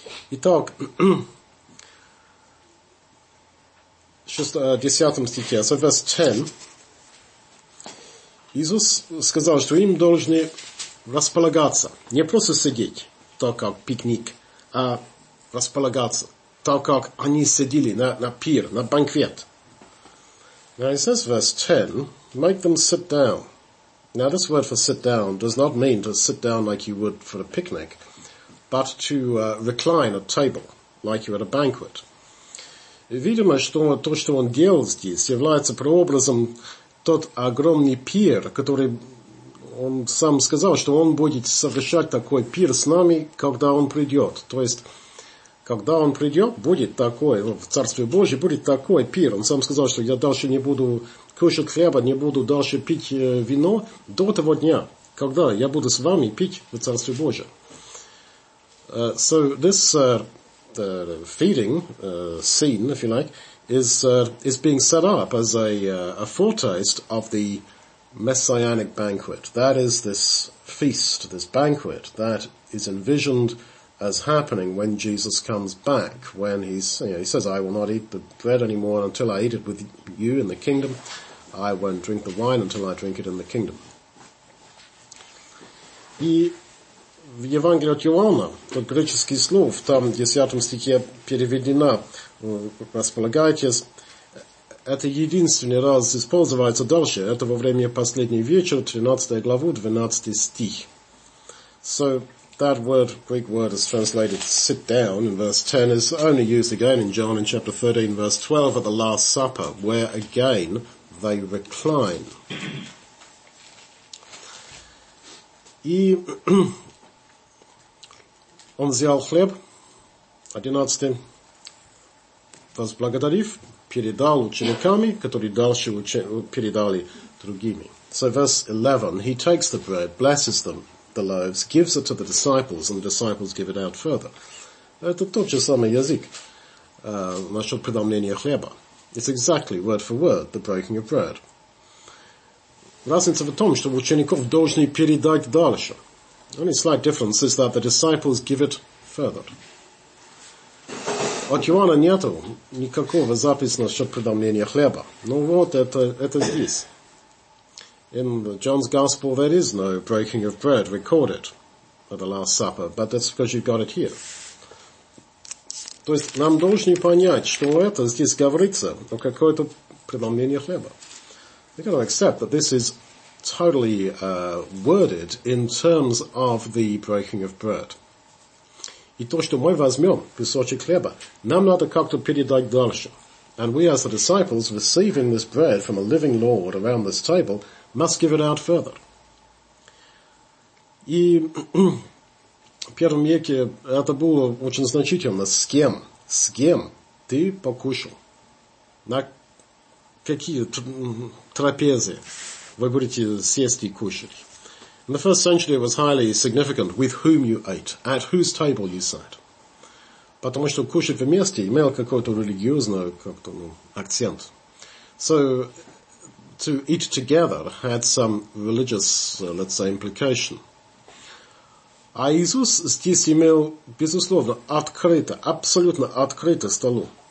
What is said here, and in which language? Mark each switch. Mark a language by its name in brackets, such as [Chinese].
[Russian] Итак, десятом стихе, [English] so verse 10, [Russian] Иисус сказал, что им должны располагаться, не просто сидеть, так как пикник, а располагаться. Так как они сидели на пир, на банквет. [English] Now he says, verse 10, make them sit down. Now this word for sit down does not mean to sit down like you would for a picnic, but to recline at table, like you're at a banquet. [Russian] Видимо, что то, что он делал здесь, является прообразом тот огромный пир, который он сам сказал, что он будет совершать такой пир с нами, когда он придет. То есть, когда он придет, будет такой, в Царстве Божьем будет такой пир. Он сам сказал, что я дальше не буду кушать хлеба, не буду дальше пить вино до того дня, когда я буду с вами пить в Царстве Божьем. [English] So this feeding scene, if you like, is being set up as a foretaste of the messianic banquet. That is this feast, this banquet that is envisioned as happening when Jesus comes back, when he says, I will not eat the bread anymore until I eat it with you in the kingdom. I won't drink the wine until I drink it in the kingdom. [Russian] И в Евангелии от Иоанна, тот греческий слов, там в 10 стихе переведено «располагайтесь», это единственный раз используется дальше, это во время последний вечер, 13 главу, 12 стих. [English] So, that word, Greek word, is translated sit down in verse 10 is only used again in John in chapter 13, verse 12 at the Last Supper, where again they recline. [Russian] И он взял хлеб, 11, возблагодарив, передал учениками, которые дальше передали другими. [English] So verse 11, he takes the bread, blesses them, the loaves, gives it to the disciples, and the disciples give it out further. [Russian] Это тот же самый язык насчет преломления хлеба. [English] It's exactly, word for word, the breaking of bread. [Russian] Разница в том, что учеников должны передать дальше. [English] Only slight difference is that the disciples give it further. [Russian] От Иоанна нету никакого записи насчет преломления хлеба. Ну вот, это здесь. [English] In John's Gospel, there is no breaking of bread recorded at the Last Supper, but that's because you've got it here. [Russian] То есть нам должны понять, что это здесь говорится о какой-то преломлении хлеба. [English] We've got to accept that this is totally worded in terms of the breaking of bread. [Russian] И то, что мы возьмем кусочек хлеба, нам надо как-то передать дальше. [English] And we as the disciples receiving this bread from a living Lord around this table must give it out further. [Russian] И в первом веке это было очень значительно. С кем ты покушал? На какие трапезы вы будете сесть и кушать? [English] In the first century, it was highly significant with whom you ate, at whose table you sat. [Russian] Потому что кушать вместе имел какой-то религиозный как-то, ну, акцент. [English] So, to eat together had some religious, let's say, implication. [Russian] А Иисус здесь имел, безусловно, открыто, абсолютно открыто столу.